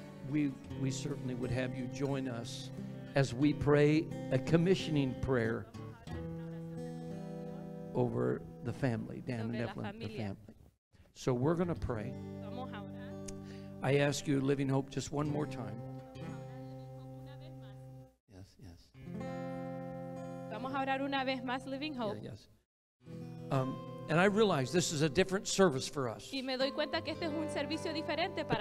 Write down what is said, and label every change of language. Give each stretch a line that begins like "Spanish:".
English: We certainly would have you join us as we pray a commissioning prayer over the family, Dan and Evelyn, the family. So we're going to pray. I ask you, Living Hope, just one more time. Yes, yes.
Spanish: Vamos a orar una vez más, Living Hope.
English: Yes. And I realize this is a different service for us.
Spanish: Y me doy cuenta que este es un servicio diferente para